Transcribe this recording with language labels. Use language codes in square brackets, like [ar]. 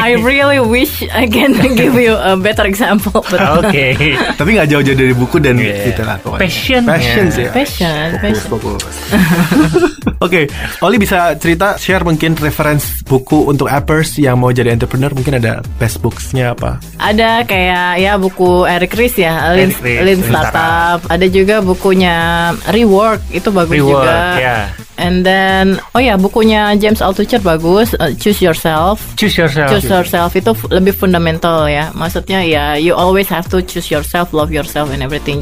[en] I really wish I can give you a better example. Oke. Okay. [id] Tapi gak jauh-jauh dari buku dan gitu lah. [en] Passion. Yeah. Passion. Oke, okay. [id] Oli bisa cerita, share mungkin reference buku untuk appers yang mau jadi entrepreneur, mungkin ada best books-nya apa? Ada kayak ya buku Eric Ries ya, Lean Startup. Ada juga bukunya Rework, itu bagus. Rework juga. [en] Rework, yeah. And then, [id] oh ya, bukunya James Altucher bagus, Choose Yourself. Itu lebih fundamental ya. Maksudnya ya, [en] you always have to choose yourself, love yourself and everything.